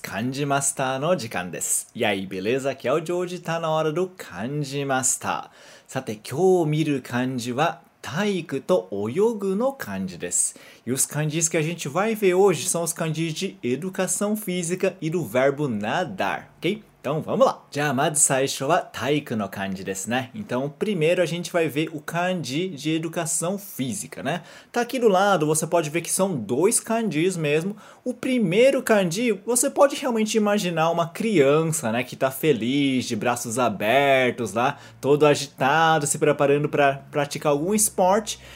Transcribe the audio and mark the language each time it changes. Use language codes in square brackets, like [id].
[ja] 漢字マスターの時間です。やい、ベレーザ、キャオ、ジョージ、タナワラル、漢字マスター。さて、今日見る漢字は、体育と泳ぐの漢字です。 [pt] E os kanjis que a gente vai ver hoje são os kanjis de educação física e do verbo nadar, ok? Então, vamos lá! [ja] じゃあ、まず最初は体育の漢字ですね。 [pt] Então, primeiro a gente vai ver o kanji de educação física, né? Tá aqui do lado, você pode ver que são dois kanjis mesmo. O primeiro kanji, você pode realmente imaginar uma criança, né? Que tá feliz, de braços abertos lá, todo agitado, se preparando para praticar algum esporte.